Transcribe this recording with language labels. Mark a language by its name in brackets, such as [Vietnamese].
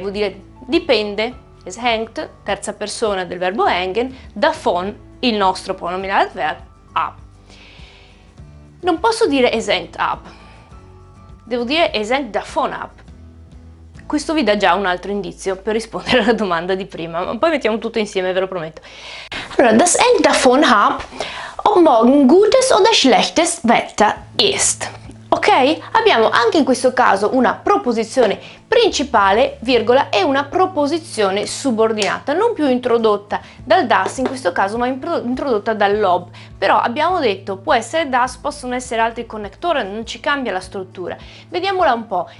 [Italian] Vuol dire dipende, [German] es hängt, [Italian] terza persona del verbo hängen, davon, il nostro pronominale ab. Non posso dire [German] es hängt ab. [Italian] Devo dire [German] es hängt davon ab. [Italian] Questo vi dà già un altro indizio per rispondere alla domanda di prima, ma poi mettiamo tutto insieme, ve lo prometto. [German] Allora, das hängt davon ab, ob morgen gutes oder schlechtes Wetter ist. [Italian] Ok? Abbiamo anche in questo caso una proposizione principale, virgola, e una proposizione subordinata, non più introdotta dal das in questo caso, ma introdotta dall'ob. Però abbiamo detto, può essere das, possono essere altri connettori, non ci cambia la struttura. Vediamola un po'.